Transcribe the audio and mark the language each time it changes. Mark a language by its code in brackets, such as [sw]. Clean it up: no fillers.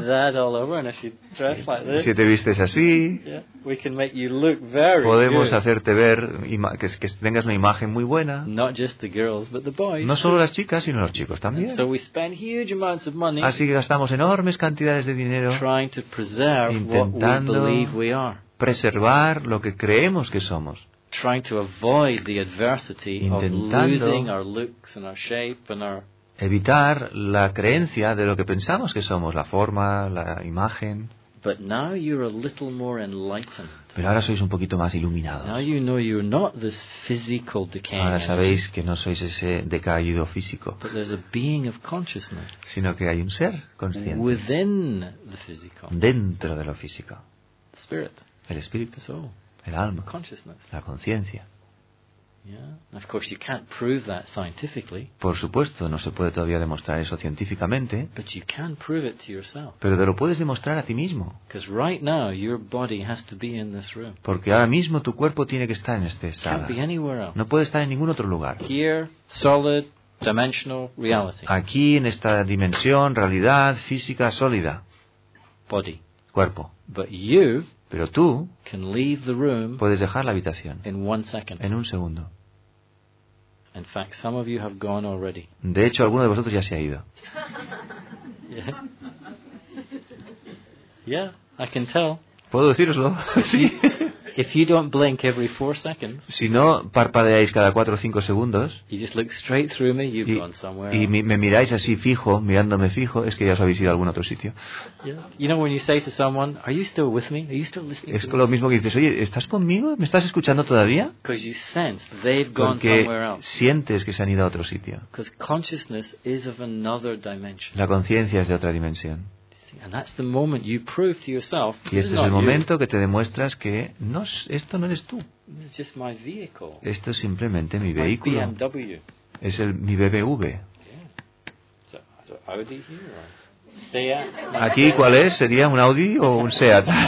[en] that all over, and if you dress like this, [es] si te vistes así, [en] yeah, we can make you look very [es] podemos [en] good. [es] Hacerte ver que tengas una imagen muy buena. [en] Not just the girls, but the boys, [es] no solo las chicas, sino los chicos también. [en] So we spend huge amounts of money, [es] así que gastamos enormes cantidades de dinero [en] trying to preserve [es] intentando [en] what we believe we are. [es] Preservar lo que creemos que somos. [en] Trying to avoid the adversity [es] intentando [en] of losing our looks and our shape and our [es] evitar la creencia de lo que pensamos que somos, la forma, la imagen. [en] But now you're a little more enlightened. [es] Pero ahora sois un poquito más iluminados. [en] Now you know you're not this physical decaying. [es] Ahora sabéis que no sois ese decaído físico. [en] But there's a being of consciousness. [es] Sino que hay un ser consciente. [en] Within the physical. [es] Dentro de lo físico. [en] Spirit. [es] El espíritu, [en] the soul, [es] el alma, [en] consciousness, [es] la conciencia. [en] Yeah. Of course you can't prove that scientifically. [es] Por supuesto, no se puede todavía demostrar eso científicamente. [en] But you can prove it to yourself. [es] Pero te lo puedes demostrar a ti mismo. [en] Because right now your body has to be in this room. [es] Porque ahora mismo tu cuerpo tiene que estar en esta sala. [en] Can't be anywhere else. [es] No puede estar en ningún otro lugar. [en] Here, solid, dimensional reality. [es] Aquí en esta dimensión, realidad física sólida. [en] Body. [es] Cuerpo. [en] But you, [es] pero tú, [en] can leave the room, [es] puedes dejar la habitación [en] in one second, [es] en un segundo. [en] In fact, some of you have gone already. [es] De hecho, alguno de vosotros ya se ha ido. [en] Yeah. Yeah, I can tell. [es] Puedo deciroslo. Sí. [en] If you don't blink every 4 seconds, [es] si no parpadeáis cada 4 o 5 segundos, [en] you just look straight through me, you've gone somewhere. [es] Y me miráis así fijo, mirándome fijo, es que ya os habéis ido a algún otro sitio. [en] Yeah. You know when you say to someone, are you still with me? Are you still listening? [es] Es lo mismo que dices, oye, ¿estás conmigo? ¿Me estás escuchando todavía? [en] Because you sense they've gone [es] porque [en] somewhere else. [es] Sientes que se han ido a otro sitio. [en] Because consciousness is of another dimension. [es] La conciencia es de otra dimensión. [en] And that's the moment you prove to yourself, [es] y este es el momento que te demuestras que no, esto no eres tú. [en] It's just my vehicle. [es] Esto es simplemente [en] it's [es] mi vehículo. [en] BMW. [es] Es el, mi BMW. [en] Yeah. So, Audi here or Seat? [es] Aquí, ¿cuál es? ¿Sería un Audi o un Seat?